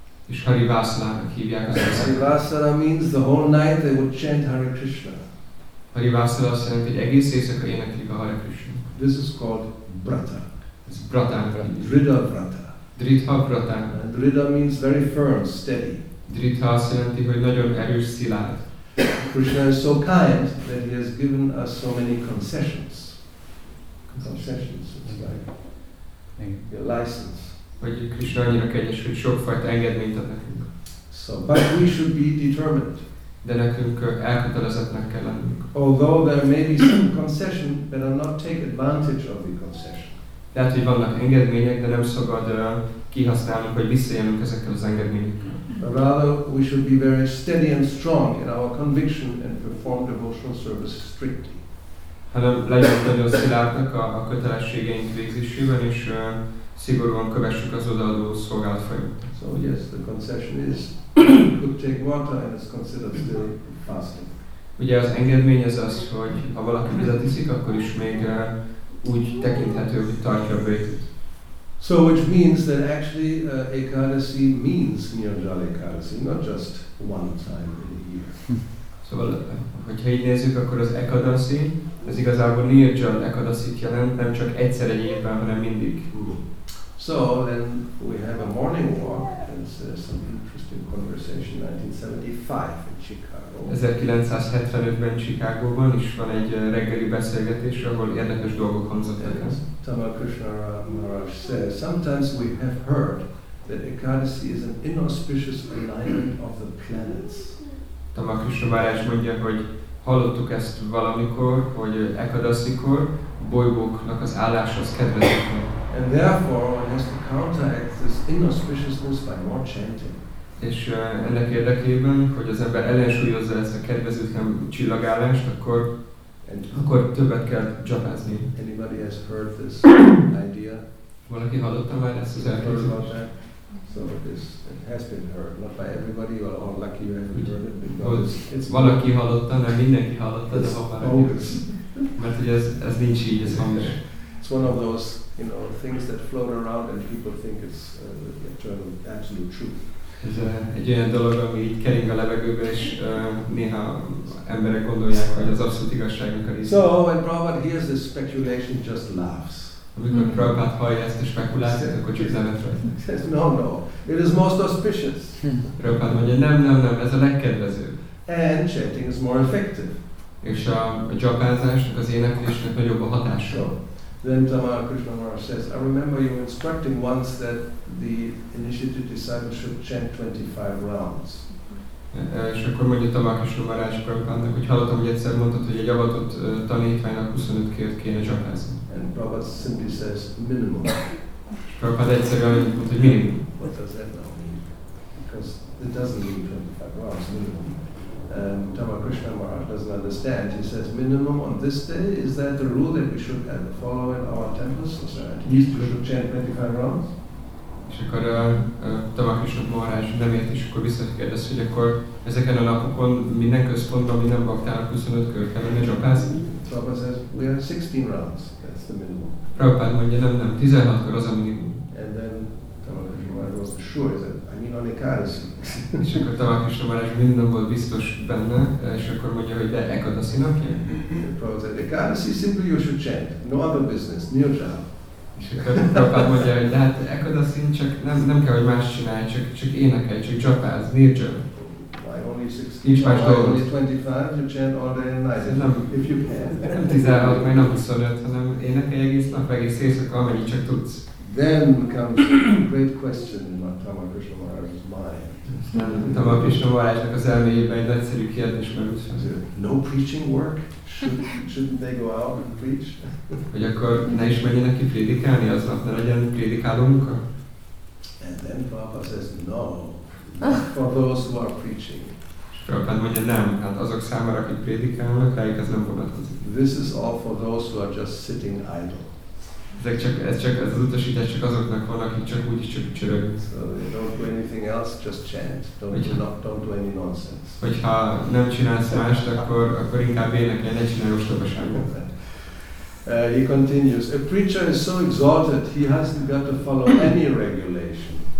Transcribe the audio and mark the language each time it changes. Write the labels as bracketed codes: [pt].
[hu] És Hari Vasalának hívják az [en] Hari Vasala means the whole night they would chant Hare Krishna. [hu] Hari Vasala azt jelenti, hogy egész éjszaka éneklik a Hare Krishna. [en] This is called Vrata. [hu] Ez Vratán Vrata. [sa] Dridha Vrata. [hu] Dridha Vratán. [en] And Dridha means very firm, steady. [hu] Dridha azt jelenti, hogy nagyon erős szilárd. [en] Krishna is so kind that he has given us so many concessions. Concessions, it's like a license. [hu] Vagy Krishna annyira kegyes, hogy sokfajta engedményt ad nekünk. [en] So, but we should be determined. [hu] De nekünk elkötelezettnek kell lennünk. [en] Although there may be some concession, better not take advantage of the concession. [hu] Tehát, hogy vannak engedmények, de nem szabad kihasználnunk, hogy visszajönnünk ezekkel az engedményekkel. [en] Rather, we should be very steady and strong in our conviction and perform devotional service strictly. [hu] Hanem legyünk nagyon szilárdak a kötelességeink végzésében, és szigorúan kövessük az odaadó szolgálat folyamat. [en] So yes, the concession is, could take water and it's considered still fasting. [hu] Ugye az engedmény az az, hogy ha valaki vizet iszik, akkor is még úgy tekinthető, hogy tartja a bőjtöt. [en] So which means that actually Ekadasi means Nirjal Ekadasi, not just one time in a year. [hu] Szóval, hogyha így nézzük, akkor az Ekadasi, ez igazából Nirjal Ekadasit jelent, nem csak egyszer egy évben, hanem mindig. [en] So then we have a morning walk, and there's some interesting conversation, 1975 in Chicago. [hu] 1975-ben Chicagóban is van egy reggeli beszélgetés, ahol érdekes dolgok hangzottak el. [en] Tamal Krishna Maharaj says, sometimes we have heard that Ekadasi is an inauspicious alignment of the planets. [hu] Tamal Krishna Maharaj mondja, hogy hallottuk ezt valamikor, hogy Ekadasikor bolygóknak az álláshoz kedvezetlen. [en] And therefore one has to counteract this inauspiciousness by more chanting. [hu] És ennek érdekében, hogy az ember ellensúlyozza ezt a kedvezőtlen csillagállást, akkor and akkor többet kell japázni. [en] Anybody has heard this idea? [hu] Valaki hallotta már ezt az elképzelést? [en] Some of this has been heard, not by everybody, but all lucky you have heard it. [hu] Valaki hallotta, de mindenki hallotta, de ha már [en] bogus. [hu] Mert hogy ez nincs így, ez hamis. [en] It's one of those, you know, things that float around and people think it's eternal, absolute truth. [hu] Ez egy olyan dolog, ami így kering a levegőben, és néha emberek gondolják, hogy az abszolút igazságunk a [en] része. So, when Prabhupada hears this speculation, just laughs. [hu] Amikor Prabhupada hallja ezt a spekulációt, akkor csak nevet rajta. [en] He says, no, it is most auspicious. [hu] Prabhupada mondja, nem, ez a legkedvezőbb. [en] And chanting is more effective. [hu] És a japázásnak, az éneklésnek nagyobb a hatása. [en] So, then Tamara Krishna Maharaj says, I remember you were instructing once that the initiated disciple should chant 25 rounds. [hu] És akkor mondja Tamara Krishna Maharaj Prabhupádnak, hogy hallottam, hogy egyszer mondtad, hogy egy avatott tanítványnak 25 kért kéne japázni. [en] And Prabhupada simply says, minimum. [hu] És Prabhupada egyszerűen mondta, hogy minimum. [en] What does that now mean? Because it doesn't mean 25 rounds, minimum. Tamara Krishna Maharaj doesn't understand. He says, minimum on this day, is that the rule that we should follow in our temples? Or so at least we should chant 25 rounds? [hu] És akkor Tamara Krishna Maharaj nem ért, és akkor visszakérdez, hogy akkor ezeken a napokon minden központban, minden baktára 25 kör kellene japázni? [en] Prabhupada says, we have 16 rounds, that's the minimum. [hu] Prabhupada mondja, nem, 16 kör az a minimum. [en] And then Tamara Krishna Maharaj was sure that on Ekadasi. [hu] És akkor Tamara Krishna Maharaj minden volt biztos benne, és akkor mondja, hogy de Ekadasi napja? [en] Prabhupada, Ekadasi simply you should chant, no other business, no job. [hu] És akkor Prabhupada mondja, hogy de hát Ekadasi csak nem kell, hogy más csinálj, csak énekelj, csak japáz, [en] no job. Why only 16? [hu] Nincs más dolgot. [en] Why only 25? You chant all day and night, if you can. [hu] Nem 16, majd nem 25, hanem énekelj egész nap, egész éjszaka, amennyit csak tudsz. [en] Then comes a great question in Tamara Krishna Maharaj's mind. [hu] Tamara Krishna Maharaj-nak az elméjében egy egyszerű kérdés merült [en] fel. No preaching work? Shouldn't they go out and preach? [hu] Hogy akkor ne is menjenek ki prédikálni aznap, ne legyen prédikáló munka? [en] And then Prabhupada says, no, for those who are preaching. [hu] És Prabhupada mondja, nem, hát azok számára, akik prédikálnak, rájuk ez nem vonatkozik. [en] This is all for those who are just sitting idle. [hu] Ez az utasítás csak azoknak van, akik csak úgy is csak csörög. [en] So don't do anything else, just chant. Don't do any nonsense. [hu] Hogyha nem csinálsz mást, akkor inkább énekelj, ne csinálj ostobaságot. [en] He continues, a preacher is so exalted, he hasn't got to follow any regulation.